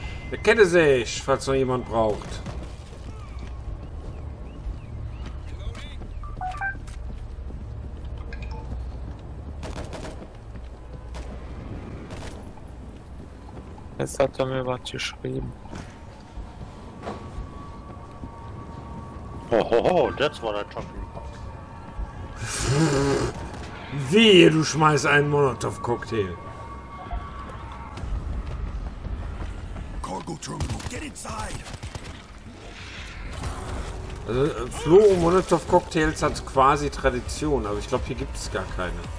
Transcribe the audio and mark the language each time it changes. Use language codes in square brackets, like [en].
[de] Der Kette sich, falls noch jemand braucht. Jetzt hat er mir was geschrieben. [en] Hohoho, that's what I'm talking about. [de] Wehe, du schmeißt einen Molotow-Cocktail. [en] Cargo Terminal, get inside! [de] Also, Flo, Molotow-Cocktails hat quasi Tradition, aber ich glaube, hier gibt es gar keine.